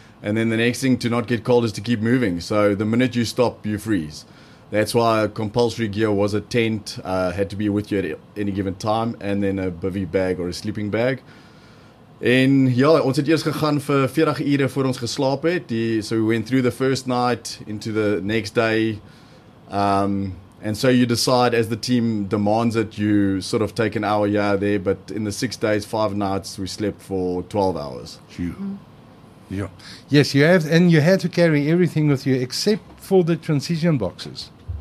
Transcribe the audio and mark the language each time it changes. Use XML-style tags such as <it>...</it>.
<en>And then the next thing to not get cold is to keep moving. So the minute you stop, you freeze. That's why compulsory gear was a tent, had to be with you at any given time, and then a bivy bag or a sleeping bag.</en> <af>En ja, ons het eers gegaan vir 40 ure voor ons geslaap het.</af> <en>So we went through the first night into the next day. And so you decide, as the team demands it, you sort of take an hour here there. But in the 6 days, 5 nights, we slept for 12 hours. Phew. Yeah. Yes, you had to carry everything with you except for the transition boxes.</en>